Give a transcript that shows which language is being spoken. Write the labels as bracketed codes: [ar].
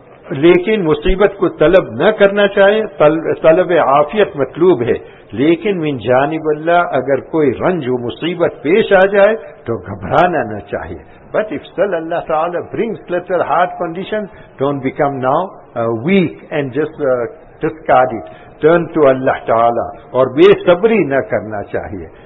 [ur] لیکن مصیبت کو طلب نہ کرنا چاہے, طلب عافیت مطلوب ہے, لیکن من جانب اللہ اگر کوئی رنج و مصیبت پیش آ جائے تو گھبرانا نہ چاہے. [en] But if still Allah Ta'ala brings little heart condition, don't become now weak and just discard it. Turn to Allah Ta'ala [ur] اور بے صبری نہ کرنا چاہے.